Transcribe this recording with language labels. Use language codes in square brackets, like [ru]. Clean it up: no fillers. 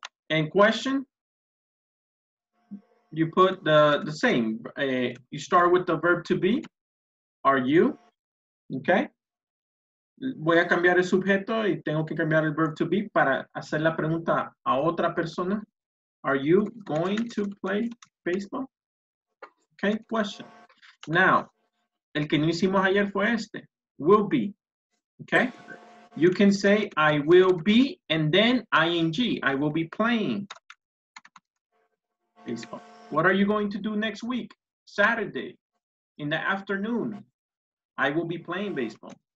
[en] And question, you put the same, you start with the verb to be, are you, okay? [es] Voy a cambiar el sujeto y tengo que cambiar el verb to be para hacer la pregunta a otra persona. [en] Are you going to play baseball? Okay, question. [es] Now, el que no hicimos ayer fue este. [en] Will be. Okay? You can say, I will be, and then ing. I will be playing baseball. What are you going to do next week? Saturday, in the afternoon, I will be playing baseball.